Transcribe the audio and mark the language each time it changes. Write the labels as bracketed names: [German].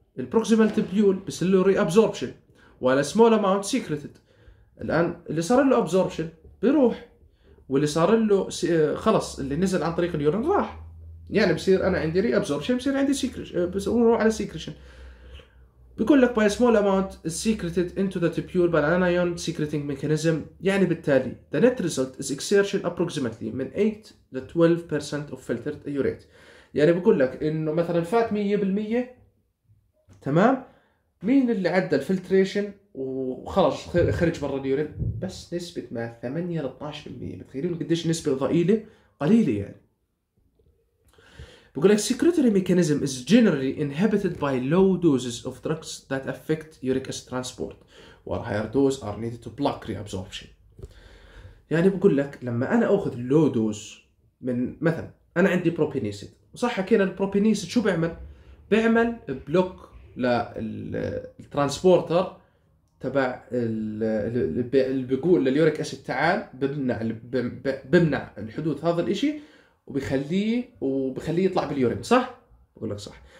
[Arabic] البروكسيمال تبيول بيصير له ري ابزوربشن ولا سمول اماونت سيكريتد. الان اللي صار له ابزوربشن بيروح، واللي صار له خلص اللي نزل عن طريق اليورين راح. يعني بصير انا عندي ري ابزوربشن بصير عندي سيكريشن بروح على سيكريشن. بيقول لك [English] by a small amount is secreted into the tubule by an anion secreting mechanism. [Arabic] يعني بالتالي [English] the net result is exertion approximately [Arabic] من 8 ل [English] 12% of filtered urate. [Arabic] يعني بيقول لك انه مثلا فات 100% تمام، مين اللي عدى الفلتريشن وخرج خرج برا اليورين؟ بس نسبة ما 8 ل 12%. متخيلين قديش نسبة ضئيلة؟ قليلة. يعني بقول لك [English] secretory mechanism is generally inhibited by low doses of drugs that affect uric acid transport while higher doses are needed to block reabsorption. [Arabic] يعني بقول لك لما انا اخذ low dose من مثلا انا عندي propionicid، صح حكينا البروبينيسيد شو بيعمل؟ بيعمل بلوك للترانسبورتر تبع اللي بيقول لليوريك اسيد تعال، بمنع الحدوث هذا الاشي وبخليه يطلع باليورين، صح؟ بقول لك صح.